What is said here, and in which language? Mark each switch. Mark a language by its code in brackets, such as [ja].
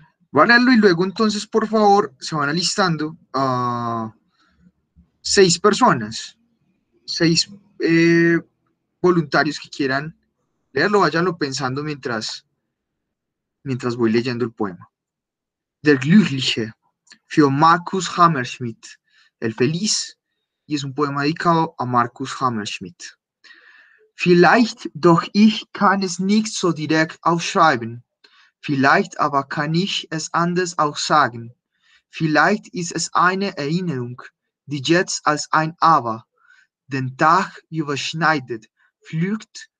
[es] Voy a leerlo y luego entonces, por favor, se van alistando a 6 personas. 6 voluntarios que quieran leerlo, váyanlo pensando mientras voy leyendo el poema. [de] Der Glückliche, für Markus Hammerschmidt. [es] El feliz, y es un poema dedicado a Markus Hammerschmidt. [de] Vielleicht, doch ich kann es nicht so direkt aufschreiben. Vielleicht aber kann ich es anders auch sagen. Vielleicht ist es eine Erinnerung, die jetzt als ein Aber den Tag überschneidet, flügt.